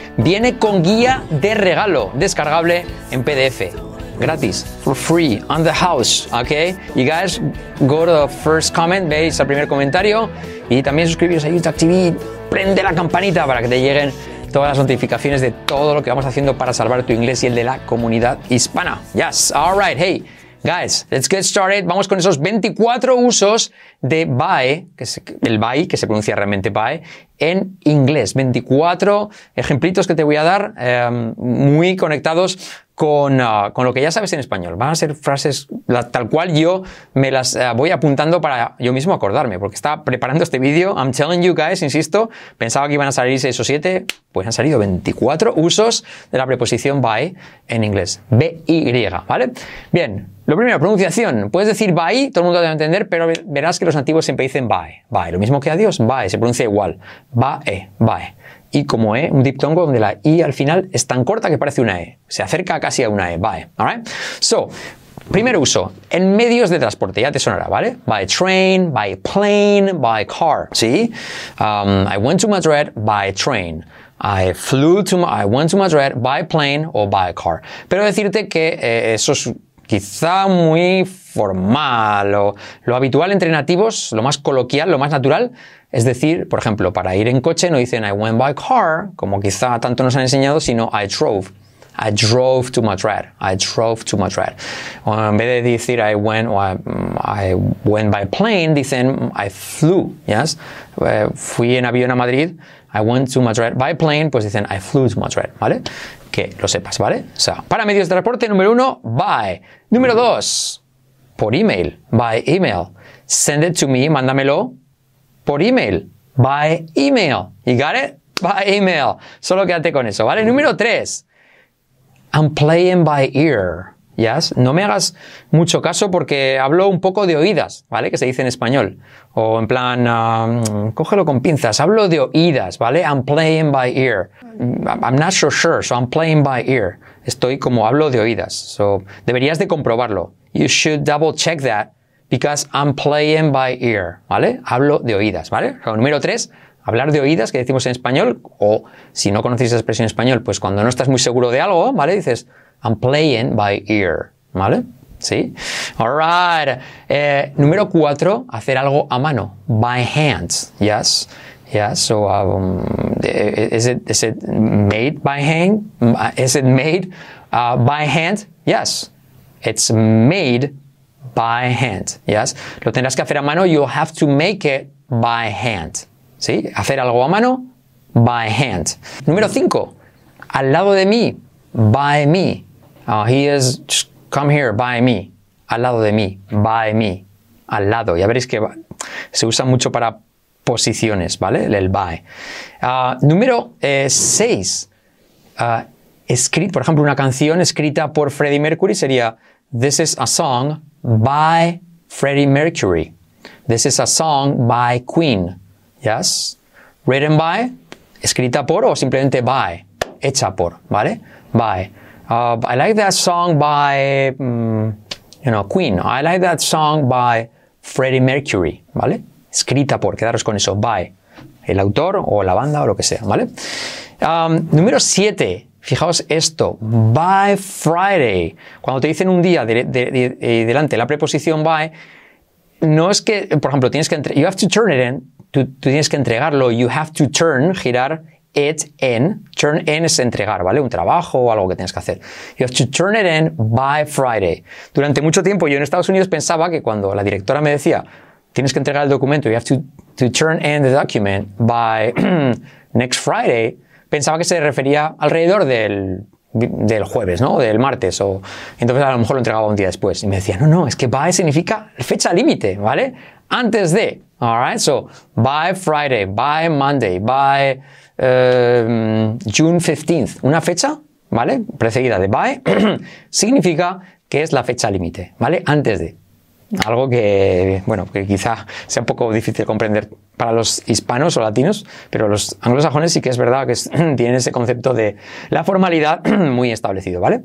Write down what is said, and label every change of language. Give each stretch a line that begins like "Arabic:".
Spanish: Viene con guía de regalo, descargable en PDF, gratis,
English: for free, on the house, ok? You guys, go to the first comment,
Spanish: veis el primer comentario y también suscribiros a UTalk TV. Prende la campanita para que te lleguen todas las notificaciones de todo lo que vamos haciendo para salvar tu inglés y el de la comunidad hispana.
English: Yes, all right, hey, guys, let's get started.
Spanish: Vamos con esos 24 usos de by, que es el by, que se pronuncia realmente by, en inglés. 24 ejemplitos que te voy a dar, muy conectados con lo que ya sabes en español. Van a ser frases tal cual yo me las voy apuntando para yo mismo acordarme, porque estaba preparando este vídeo.
English: I'm telling you guys,
Spanish: insisto, pensaba que iban a salir 6 o 7, pues han salido 24 usos de la preposición by en inglés. B-Y, ¿vale? Bien, lo primero, pronunciación. Puedes decir by, todo el mundo debe entender, pero verás que los nativos siempre dicen by. By, lo mismo que adiós, by, se pronuncia igual. By, by. Y como E, un diptongo donde la I al final es tan corta que parece una E. Se acerca casi a una E. Bye.
English: All right? So,
Spanish: primer uso. En medios de transporte. Ya te sonará, ¿vale?
English: By train, by plane, by car. ¿Sí? I went to Madrid by train. I went to Madrid by plane o by car.
Spanish: Pero decirte que eso es quizá muy formal o lo habitual entre nativos, lo más coloquial, lo más natural. Es decir, por ejemplo, para ir en coche no dicen
English: I went by car,
Spanish: como quizá tanto nos han enseñado, sino
English: I drove. I drove to Madrid. I drove to Madrid.
Spanish: O en vez de decir
English: I went o I went by plane, dicen I flew. ¿Yes?
Spanish: Fui en avión a Madrid.
English: I went to Madrid by plane.
Spanish: Pues dicen
English: I flew to Madrid.
Spanish: ¿Vale? Que lo sepas, ¿vale? O sea, para medios de transporte, número uno, by. Número dos, por email.
English: By email. Send it to me,
Spanish: mándamelo. Por email.
English: By email. You got it? By email.
Spanish: Solo quédate con eso, ¿vale? Número 3.
English: I'm playing by ear.
Spanish: ¿Yes? No me hagas mucho caso porque hablo un poco de oídas, ¿vale? Que se dice en español. O en plan, cógelo con pinzas. Hablo de oídas, ¿vale?
English: I'm playing by ear. I'm not so sure, so I'm playing by ear.
Spanish: Estoy como hablo de oídas. So, deberías de comprobarlo.
English: You should double check that. Because I'm playing by ear, ¿vale?
Spanish: Hablo de oídas, ¿vale? Pero número 3, hablar de oídas, que decimos en español, o si no conocéis esa expresión en español, pues cuando no estás muy seguro de algo, ¿vale? Dices,
English: I'm playing by ear, ¿vale? ¿Sí? All right.
Spanish: Número 4, hacer algo a mano.
English: By hands, ¿yes? Yeah, so is it made by hand? Is it made by hand? Yes, it's made by hand, yes.
Spanish: Lo tendrás que hacer a mano.
English: You'll have to make it by hand. ¿Sí?
Spanish: Hacer algo a mano, by hand. Número 5. Al lado de mí,
English: by me. He is, just come here, by me.
Spanish: Al lado de mí, by me. Al lado. Ya veréis que se usa mucho para posiciones, ¿vale? El by. Número 6. Escrito, por ejemplo, una canción escrita por Freddie Mercury sería
English: This is a song by Freddie Mercury. This is a song by Queen. Yes? Written by,
Spanish: escrita por o simplemente by, hecha por,
English: ¿vale? By. I like that song by, Queen. I like that song by Freddie Mercury, ¿vale?
Spanish: Escrita por, quedaros con eso, by. El autor o la banda o lo que sea, ¿vale? Número 7. Fijaos esto, by Friday. Cuando te dicen un día delante la preposición by, no es que, por ejemplo, tienes que,
English: you have to turn it in,
Spanish: tú tienes que entregarlo, you have to turn, girar it in. Turn in es entregar, ¿vale? Un trabajo o algo que tienes que hacer.
English: You have to turn it in by Friday.
Spanish: Durante mucho tiempo yo en Estados Unidos pensaba que cuando la directora me decía tienes que entregar el documento,
English: you have to turn in the document by next Friday,
Spanish: pensaba que se refería alrededor del jueves, ¿no? Del martes. O entonces a lo mejor lo entregaba un día después. Y me decía, no, es que by significa fecha límite, ¿vale? Antes de.
English: All right, so by Friday, by Monday, by June 15th,
Spanish: una fecha, ¿vale? Precedida de by, significa que es la fecha límite, ¿vale? Antes de. Algo que, bueno, que quizá sea un poco difícil comprender para los hispanos o latinos, pero los anglosajones sí que es verdad que tienen ese concepto de la formalidad muy establecido, ¿vale?